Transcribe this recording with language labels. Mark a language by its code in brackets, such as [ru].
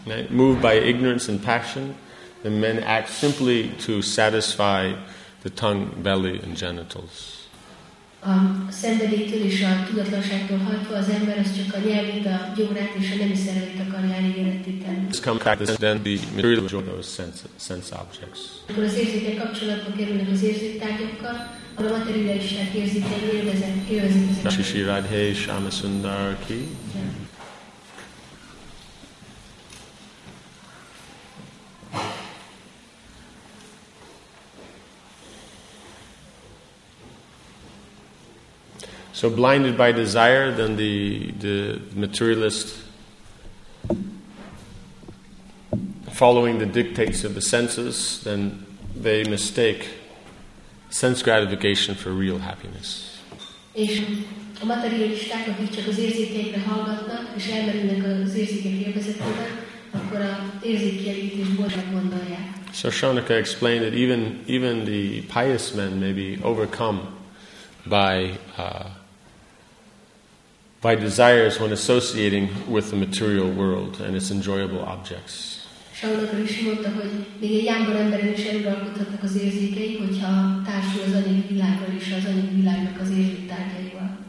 [en] Moved by ignorance and passion, the men act simply to satisfy the tongue, belly, and genitals. [hu] A szenvedéktől és a tudatlanságtól hajtva az ember az csak a nyelvét, a gyomrát és a nemi szerveit akarja elégedetíteni. [en] This comes back to then the material of those sense objects. [hu] Akkor az érzékek kapcsolatba kerülnek az érzéktárgyakkal, a materiális érzékei élvezik. [hi] Shishi Radhe Shama Sundar Ki. [en] So blinded by desire, then the materialist, following the dictates of the senses, then they mistake sense gratification for real happiness. [hu] És a materialisták, akik csak az érzékeikre hallgatnak, és elmerülnek az érzékek élvezetében, akkor a érzékkielégítés boldog gondolják. [en] So Shonaka explained that even the pious men may be overcome by by desires when associating with the material world and its enjoyable objects. [hu] Saulnak is mondta, hogy még egy jámbor emberen is eluralkodhatnak az érzékei, hogyha társul az anyagi világgal és az anyagi világnak az érzéki tárgyaival.